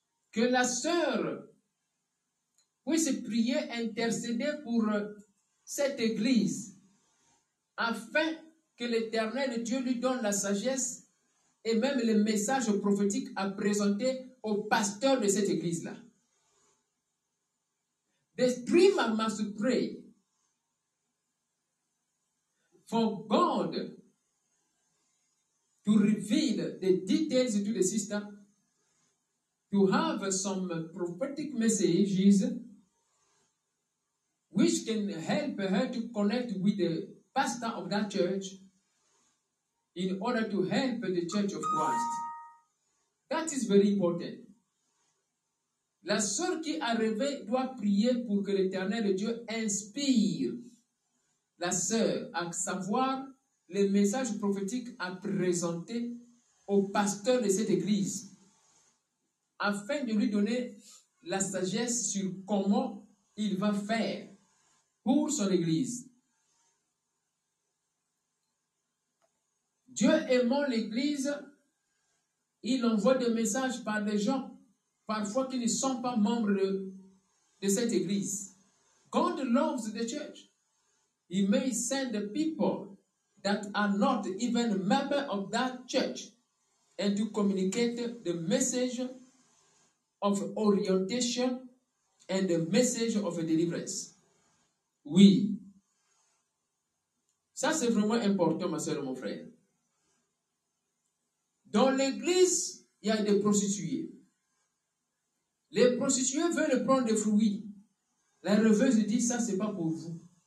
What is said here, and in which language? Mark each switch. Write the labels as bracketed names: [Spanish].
[French] Que la sœur puisse prier, intercéder pour cette église afin que l'Éternel Dieu lui donne la sagesse et même le message prophétique à présenter au pasteur de cette église-là. [English] The three man must pray for God to reveal the details to the sister to have some prophetic messages which can help her to connect with the pastor of that church in order to help the church of Christ. That is very important. [French] La sœur qui a rêvé doit prier pour que l'Éternel Dieu inspire la sœur à savoir le message prophétique à présenter au pasteur de cette église afin de lui donner la sagesse sur comment il va faire pour son église. Dieu aimant l'église, il envoie des messages par des gens, parfois qui ne sont pas membres de cette église. [English] God loves the church. He may send people that are not even members of that church and to communicate the message of orientation and the message of deliverance. [French] Oui. Ça, c'est vraiment important, ma soeur et mon frère. Dans l'église, il y a des prostituées. Les prostituées veulent prendre des fruits. La rêveuse dit, ça, c'est pas pour vous.